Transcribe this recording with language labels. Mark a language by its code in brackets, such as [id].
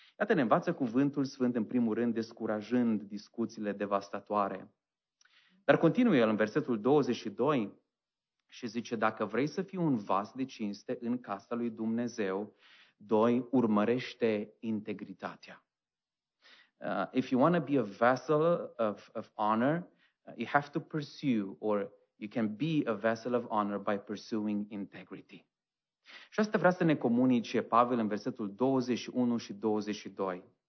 [ro] Iată, ne învață cuvântul sfânt în primul rând, descurajând discuțiile devastatoare. Dar continuă el în versetul 22 și zice, dacă vrei să fii un vas de cinste în casa lui Dumnezeu, doi, urmărește integritatea. [en] If you want to be a vessel of honor, you have to pursue, or you can be a vessel of honor by pursuing integrity. [ro] Și asta vrea să ne comunice Pavel în versetul 21 și 22.